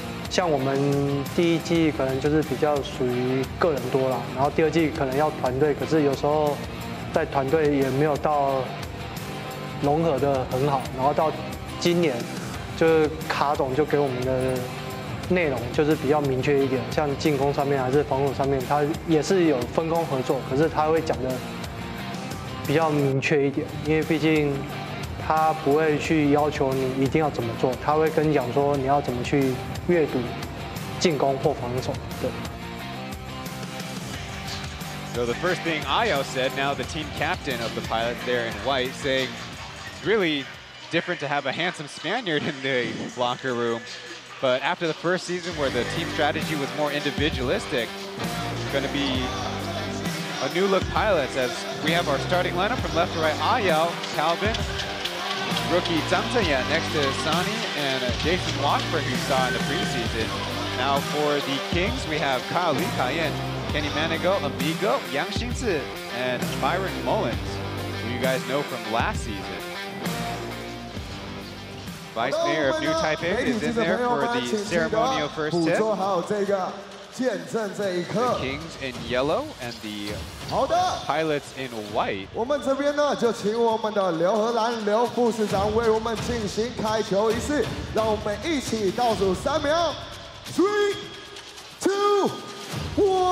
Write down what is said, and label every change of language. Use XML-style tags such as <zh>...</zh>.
<zh>像我们第一季可能就是比较属于个人多啦，然后第二季可能要团队，可是有时候在团队也没有到融合的很好，然后到今年就是卡总就给我们的内容就是比较明确一点，像进攻上面还是防守上面，他也是有分工合作，可是他会讲的比较明确一点，因为毕竟他不会去要求你一定要怎么做，他会跟你讲说你要怎么去阅读进攻或防守。对。</zh> <en>So the first thing Ayo said, now the team captain of the Pilot there in white, saying it's really different to have a handsome Spaniard in the locker room. But after the first season where the team strategy was more individualistic, it's going to be a new look Pilots as we have our starting lineup from left to right, Ayo, Calvin. Rookie Zhang Zhenya next to Sonny and Jason Watford, who saw in the preseason. Now for the Kings, we have Kyle Lee Kaien, Kenny Manigo, Amigo, Yang Xingzi, and Myron Mullins, who you guys know from last season. Vice Mayor of New Taipei is in there for the ceremonial first tip. The Kings in yellow and the Pilots in white.</en> <zh>我们这边呢就请我们的刘和兰刘副市长为我们进行开球仪式，让我们一起倒数三秒 ，3, 2, 1。</zh>